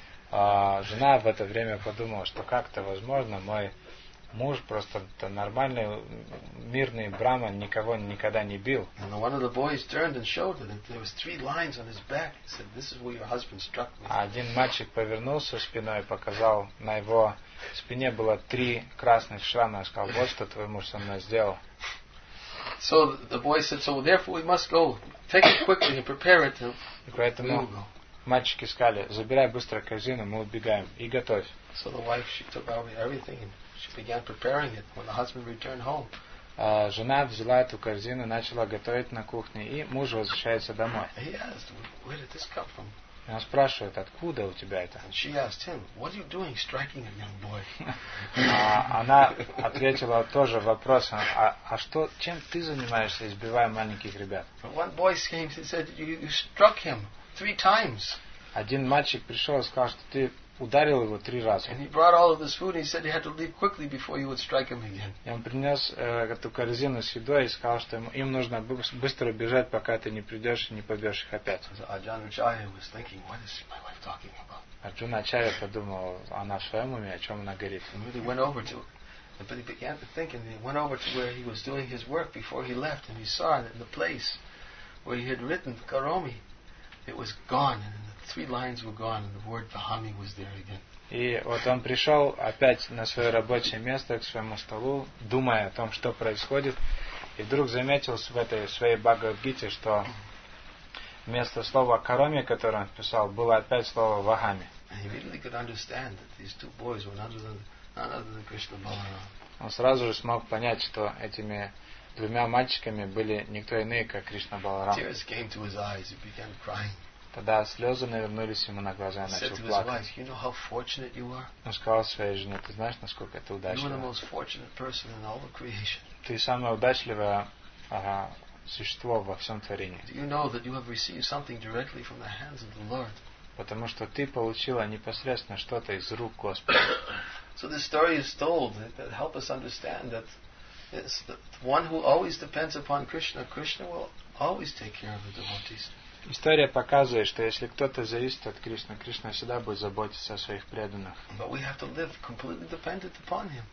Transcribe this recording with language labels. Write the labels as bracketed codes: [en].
[ru] Жена в это время подумала, что как-то возможно, мой муж просто нормальный, мирный браман никого никогда не бил. А один мальчик повернулся спиной и показал, на его спине было три красных шрама, и сказал, вот что твой муж со мной сделал. [en] So the boy said, so therefore we must go, take it quickly and prepare it, and we will go. [ru] Мальчики сказали, забирай быстро корзину, мы убегаем, и готовь. [en] So the wife, she took out everything and she began preparing it when the husband returned home. [ru] Жена взяла эту корзину, начала готовить на кухне, и муж возвращается домой. [en] He asked, where did this come from? [ru] И он спрашивает, откуда у тебя это? [en] And she asked him, what are you doing striking a young boy? [ru] Она ответила тоже вопросом, что, чем ты занимаешься, избивая маленьких ребят? [en] One boy came and said, you struck him. Three times. [ru] Один мальчик пришел и сказал, что ты ударил его три раза. [en] And he brought all of this food and he said he had to leave quickly before you would strike him again. [ru] И он принес эту корзину с едой и сказал, что им нужно быстро бежать, пока ты не придешь и не побьешь их опять. [en] So Arjuna Acharya was thinking, what is my wife talking about? [ru] Arjuna Acharya подумал, она в своем уме, о чем она говорит. [en] And really went over to him. But he began to think and he went over to where he was doing his work before he left and he saw that in the place where he had written Karomi. It was gone, and the three lines were gone, and the word "Vahami" was there again. [ru] И вот он пришел опять на свое рабочее место к своему столу, думая о том, что происходит, и вдруг заметил в этой своей Бхагавад-гите, что вместо слова "Кароми", которое он писал, было опять слово "Вахами". [en] And he immediately could understand that these two boys were none other than Krishna Balaram. [ru] Он сразу же смог понять, что этими двумя мальчиками были никто иные, как Кришна Баларам. [en] Tears came to his eyes, he began crying. [ru] Тогда слезы навернулись ему на глаза, и начал плакать. [en] You know how fortunate you are? [ru] Он сказал своей жене, ты знаешь, насколько это удачливо? [en] You are the most fortunate person in all of creation. [ru] Ты самое удачливое существо во всем творении. [en] Do you know that you have received something directly from the hands of the Lord? [ru] Потому что ты получила непосредственно что-то из рук Господа. [en] So this story is told that help us understand that it's the one who always depends upon Krishna, Krishna will always take care of the devotees. [ru] История показывает, что если кто-то зависит от Кришны, Кришна всегда будет заботиться о своих преданных. [en] But we have to live completely dependent upon him.